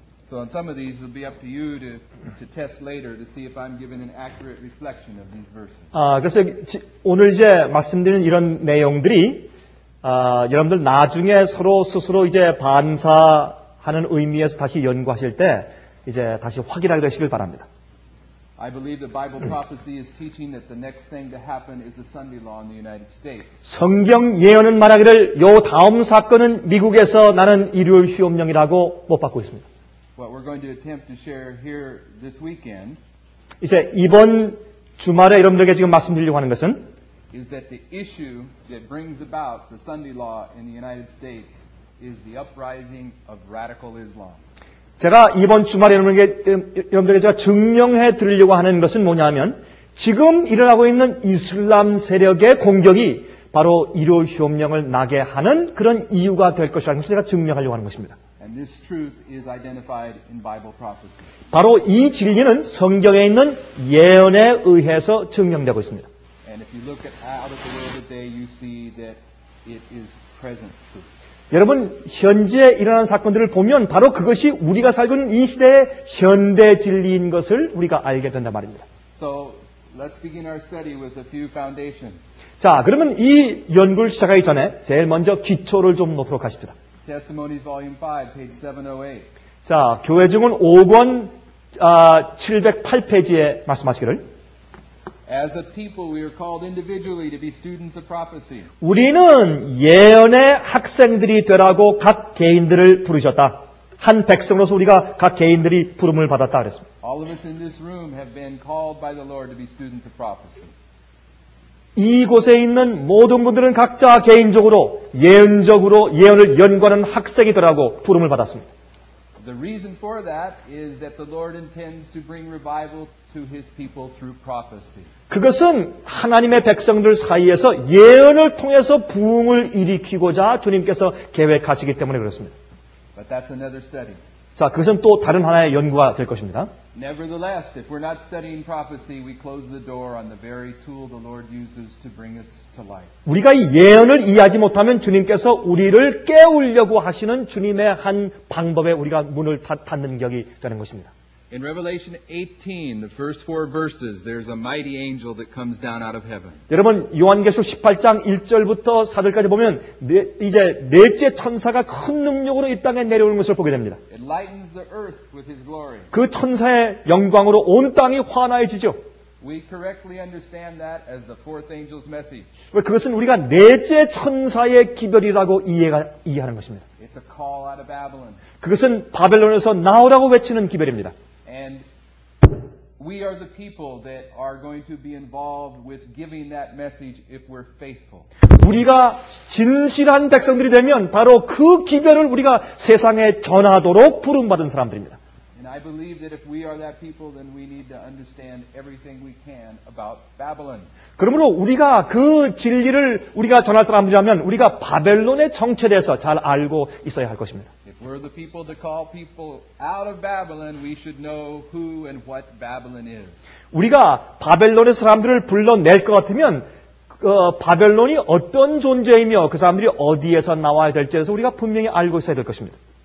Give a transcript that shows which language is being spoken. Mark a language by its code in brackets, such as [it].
[en] So on some of these it'll be up to you to test later to see if I'm giving an accurate reflection of these verses. [ko] 아, 그래서 오늘 이제 말씀드리는 이런 내용들이 여러분들 나중에 서로 스스로 이제 반사하는 의미에서 다시 연구하실 때 이제 다시 확인하게 되시길 바랍니다. [en] I believe the Bible prophecy is teaching that the next thing to happen is a Sunday law in the United States. [ko] 성경 예언은 말하기를 요 다음 사건은 미국에서 나는 일요일 휴업령이라고 못 받고 있습니다. [en] What we're going to attempt to share here this weekend [ko] 이제 이번 주말에 여러분들에게 지금 말씀드리려고 하는 것은 [en] is that the issue that brings about the Sunday law in the United States is the uprising of radical Islam. [ko] 제가 이번 주말에 여러분들에게 제가 증명해 드리려고 하는 것은 뭐냐면 지금 일어나고 있는 이슬람 세력의 공격이 바로 일요일 휴업령을 나게 하는 그런 이유가 될 것이라는 것을 제가 증명하려고 하는 것입니다. [en] And this truth is identified in Bible prophecy. [ko] 바로 이 진리는 성경에 있는 예언에 의해서 증명되고 있습니다. [en] And if you look out at the world today, you see that it is present truth. [ko] 여러분 현재 일어난 사건들을 보면 바로 그것이 우리가 살고 있는 이 시대의 현대 진리인 것을 우리가 알게 된다 말입니다. [en] So, let's begin our study with a few foundations. [ko] 자, 그러면 이 연구를 시작하기 전에 제일 먼저 기초를 좀 놓도록 하십시다. [en] Testimonies, Volume 5, page 708. [ko] 자, 교회 증언 5권 708페이지에 말씀하시기를 [en] As a people, we are called individually to be students of prophecy. [ko] 우리는 예언의 학생들이 되라고 각 개인들을 부르셨다. 한 백성으로서 우리가 각 개인들이 부름을 받았다 그랬습니다. [en] All of us in this room have been called by the Lord to be students of prophecy. [ko] 이곳에 있는 모든 분들은 각자 개인적으로 예언적으로 예언을 연구하는 학생이 되라고 부름을 받았습니다. [en] The reason for that is that the Lord intends to bring revival to His people through prophecy. [ko] 그것은 하나님의 백성들 사이에서 예언을 통해서 부흥을 일으키고자 주님께서 계획하시기 때문에 그렇습니다. [en] But that's another study. [ko] 자, 그것은 또 다른 하나의 연구가 될 것입니다. [en] Nevertheless, if we're not studying prophecy, we close the door on the very tool the Lord uses to bring us to life. [ko] 우리가 예언을 이해하지 못하면 주님께서 우리를 깨우려고 하시는 주님의 한 방법에 우리가 문을 닫는 격이 되는 것입니다. [en] In Revelation 18, the first four verses, there's a mighty angel that comes down out of heaven. [ko] 여러분, 요한계시록 18장 1절부터 4절까지 보면 이제 넷째 천사가 큰 능력으로 이 땅에 내려오는 것을 보게 됩니다. [en] It lightens the earth with his glory. [ko] 그 천사의 영광으로 온 땅이 환화해지죠. [en] We correctly understand that as the fourth angel's message. [ko] 왜 그것은 우리가 넷째 천사의 기별이라고 이해하는 것입니다. [en] It's a call out of Babylon. [ko] 그것은 바벨론에서 나오라고 외치는 기별입니다. [en] And we are the people that are going to be involved with giving that message if we're faithful. [ko] 우리가 진실한 백성들이 되면 바로 그 기별을 우리가 세상에 전하도록 부름 받은 사람들입니다. [en] And I believe that if we are that people then we need to understand everything we can about Babylon. [ko] 그러므로 우리가 그 진리를 우리가 전할 사람들이라면 우리가 바벨론의 정체에 대해서 잘 알고 있어야 할 것입니다. [en] If we're the people to call people out of Babylon, we should know who and what Babylon is. [ko] 우리가 바벨론의 사람들을 불러낼 것 같으면 바벨론이 어떤 존재이며 그 사람들이 어디에서 나와야 될지에 대해서 우리가 분명히 알고 있어야 될 것입니다.